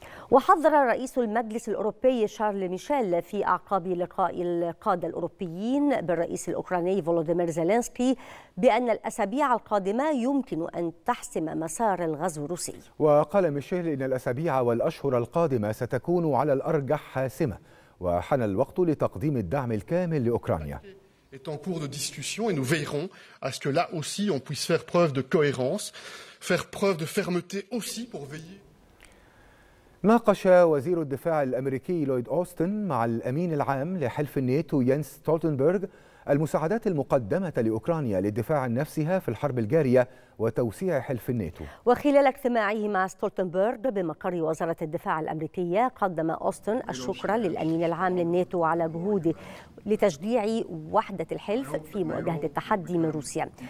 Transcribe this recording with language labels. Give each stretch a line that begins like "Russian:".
Arabic: وحذر رئيس المجلس الأوروبي شارل ميشيل في أعقاب لقاء القادة الأوروبيين بالرئيس الأوكراني فولوديمير زيلينسكي بأن الأسابيع القادمة يمكن أن تحسم مسار الغزو الروسي. وقال ميشيل إن الأسابيع والأشهر القادمة ستكون على الأرجح حاسمة، وحان الوقت لتقديم الدعم الكامل لأوكرانيا.
French: est en cours de discussion et nous veillerons à ce que là aussi on puisse faire preuve de cohérence faire preuve de fermeté aussi pour veiller.
Arabic: ناقش وزير الدفاع الأمريكي لويد أوستن مع الأمين العام لحلف الناتو يانس ستولتنبرغ المساعدات المقدمة لأوكرانيا للدفاع عن نفسها في الحرب الجارية وتوسيع حلف الناتو. وخلال اجتماعه مع ستولتنبرغ بمقر وزارة الدفاع الأمريكية، قدم أوستن الشكر للأمين العام للناتو على جهوده لتشجيع وحدة الحلف في مواجهة التحدي من روسيا.